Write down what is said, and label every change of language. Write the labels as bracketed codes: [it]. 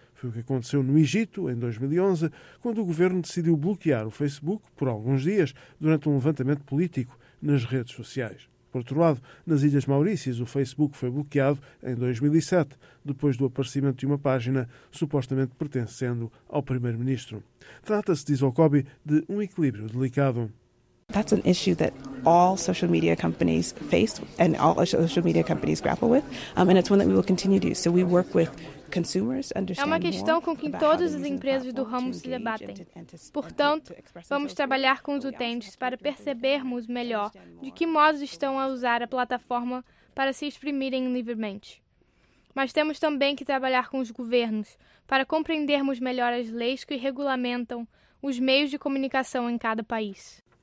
[pt] Foi o que aconteceu no Egito, em 2011, quando o governo decidiu bloquear o Facebook, por alguns dias, durante um levantamento político nas redes sociais. Por outro lado, nas Ilhas Maurícias, o Facebook foi bloqueado em 2007, depois do aparecimento de uma página supostamente pertencendo ao primeiro-ministro. Trata-se, diz Okobi, de um equilíbrio delicado. [en] That's an issue that all social media companies face and all social media companies grapple with, and it's one that we will continue to do. So we work with consumers, [pt] é uma questão com que todas as empresas do ramo se debatem. Portanto, vamos trabalhar com os utentes para percebermos melhor de que modo estão a usar a plataforma para se exprimirem livremente. Mas temos também que trabalhar com os governos para compreendermos melhor as leis que regulamentam os meios de comunicação em cada país.